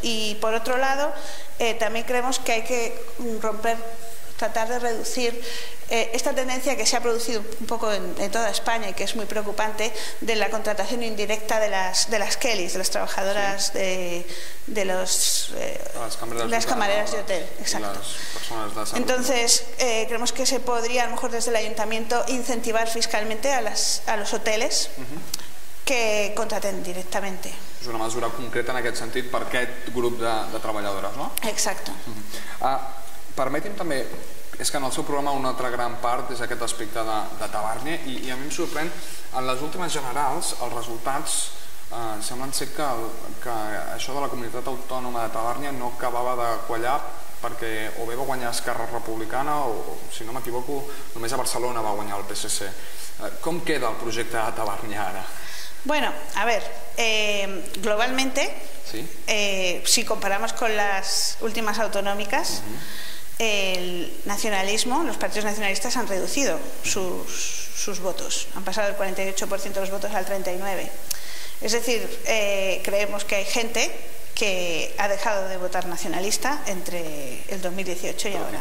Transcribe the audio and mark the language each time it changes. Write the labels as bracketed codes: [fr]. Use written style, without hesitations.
[es] Y por otro lado, también creemos que hay que tratar de reducir esta tendencia que se ha producido un poco en toda España y que es muy preocupante, de la contratación indirecta de las Kellys, de las trabajadoras de las camareras de hotel. Exacto. Las personas de salud. Entonces, creemos que se podría, a lo mejor desde el ayuntamiento, incentivar fiscalmente a los hoteles que contraten directamente. [ca] És una mesura concreta en aquest sentit per aquest grup de treballadores, no? Exacto. Permeti'm també, és que en el seu programa una altra gran part és aquest aspecte de Tavernier, i a mi em sorprèn, en les últimes generals els resultats semblen ser que això de la comunitat autònoma de Tavernier no acabava de quallar, perquè o bé va guanyar Esquerra Republicana o, si no m'equivoco, només a Barcelona va guanyar el PSC. Com queda el projecte de Tavernier ara? [es] Bueno, a ver, globalmente, ¿sí? Si comparamos con las últimas autonómicas, el nacionalismo, los partidos nacionalistas han reducido sus votos. Han pasado del 48% de los votos al 39%. Es decir, creemos que hay gente que ha dejado de votar nacionalista entre el 2018 y ahora.